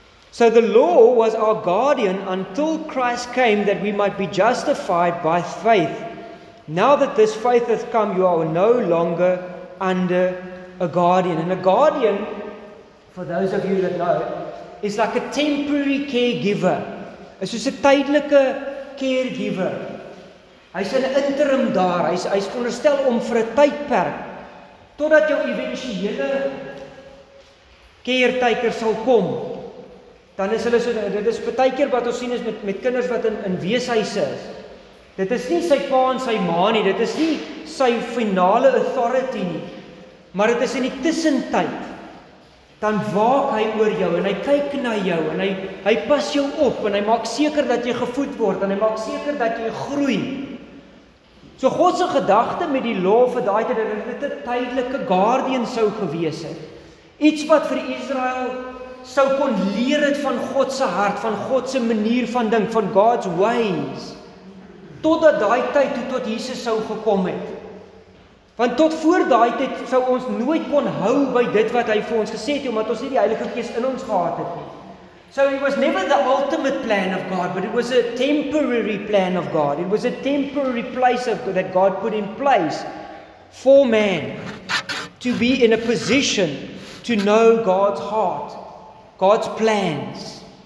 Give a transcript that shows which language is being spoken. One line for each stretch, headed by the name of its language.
English: So the law was our guardian until Christ came that we might be justified by faith. Now that this faith has come, you are no longer under a guardian. And a guardian, for those of you that know, is like a temporary caregiver. It's just a tydelike caregiver.
Afrikaans: Hy's 'n interim daar. Hy's veronderstel om vir 'n tydperk totdat jou eventuele caretaker sal kom. Dan is hulle so, dit is baie keer wat ons sien is met kinders wat in weeshuise is. Dit is nie sy pa en sy ma nie, dit is nie sy finale authority nie. Maar dit is in die tussentyd. Dan waak hy oor jou en hy kyk na jou en hy pas jou op en hy maak seker dat jy gevoed word en hy maak seker dat jy groei. So God se gedagte met die law vir daai tyd het dit 'n tydelike guardian sou gewees het. Iets wat vir Israel sou kon leer het van God se hart, van God se manier van dink, van
English: God's ways.
Afrikaans: Totdat daai tyd toe tot Jesus sou gekom het. Want tot voor daai tyd sou ons nooit kon hou by dit wat hy vir ons gesê het, omdat ons nie die Heilige Gees in ons gehad het nie.
English: So it was never the ultimate plan of God, but it was a temporary plan of God. It was a temporary place of, that God put in place for man to be in a position to know God's heart, God's plans.